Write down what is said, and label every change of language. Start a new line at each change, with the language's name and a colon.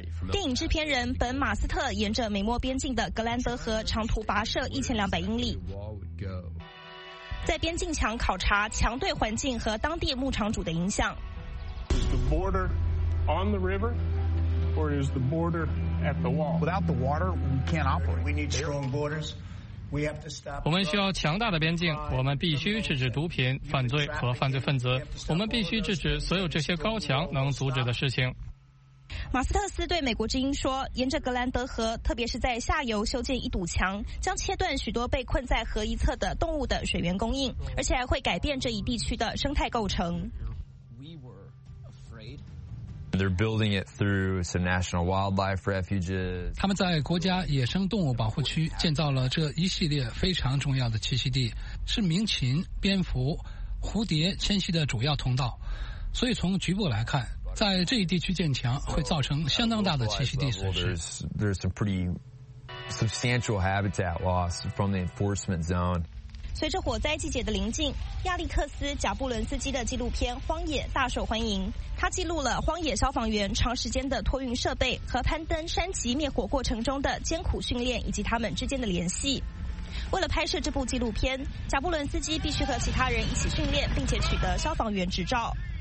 Chinese: 电影制片人本·马斯特沿着美墨边境的格兰德河长途跋涉1200英里，在边境墙考察墙对环境和当地牧场主的影响。
English: Is the border on the river, or is the border at the wall? Without the water, we can't operate. We need strong borders. We have to stop.
Chinese: 我们需要强大的边境。我们必须制止毒品、犯罪和犯罪分子。我们必须制止所有这些高墙能阻止的事情。马斯特斯对美国之音说，沿着格兰德河，特别是在下游修建一堵墙，将切断许多被困在河一侧的动物的水源供应，而且还会改变这一地区的生态构成。
English: They're building it through some national wildlife refuges.
Chinese: 他们在国家野生动物保护区建造了这一系列非常重要的栖息地，是鸣禽、蝙蝠、蝴蝶迁徙的主要通道。所以从局部来看，在这一地区建墙会造成相当大的栖息地损失。
English: There's some pretty substantial habitat loss from the enforcement zone.
Chinese: 随着火灾季节的临近，亚历克斯·贾布伦斯基的纪录片《荒野》大受欢迎。他记录了荒野消防员长时间的托运设备和攀登山脊灭火过程中的艰苦训练以及他们之间的联系。为了拍摄这部纪录片，贾布伦斯基必须和其他人一起训练，并且取得消防员执照。